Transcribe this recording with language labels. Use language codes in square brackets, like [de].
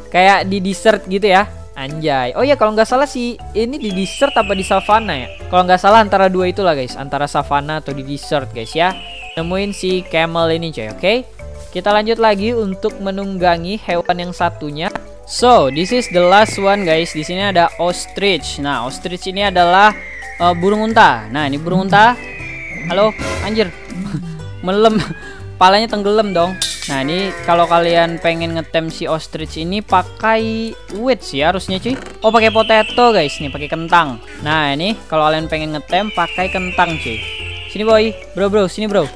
[id] Kayak di desert gitu ya. Anjay. Oh ya, kalau enggak salah sih ini di desert apa di savana ya? Kalau enggak salah antara dua itulah, guys, antara savana atau di desert, guys, ya. Temuin si camel ini, coy, oke? Okay? Kita lanjut lagi untuk menunggangi hewan yang satunya. [en] So, this is the last one, guys. [id] Di sini ada ostrich. Nah, ostrich ini adalah burung unta. Nah, ini burung unta. Halo, anjir. Melem. Palanya tenggelam dong. Nah, ini kalau kalian pengen ngetem si ostrich ini pakai wheat sih harusnya, cuy. Oh, pakai potato, guys. Nih, pakai kentang. Nah, ini kalau kalian pengen ngetem pakai kentang, cuy. Sini, boy. Bro, sini, bro.